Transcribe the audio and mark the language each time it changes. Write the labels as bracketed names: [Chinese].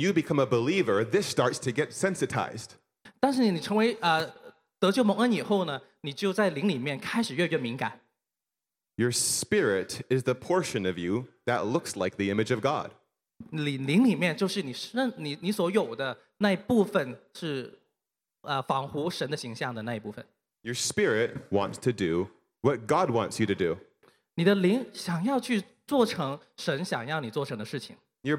[English] you become a believer, this starts to get sensitized. [Chinese] 但是你成为得救蒙恩以后呢，你就在灵里面开始越来越敏感。 [English] Your spirit is the portion of you that looks like the image of God. [Chinese] 灵里面就是你所有的那一部分是仿佛神的形象的那一部分。 [English] Your spirit wants to do what God wants you to do. [Chinese] 你的灵想要去做成神想要你做成的事情。 [English] Your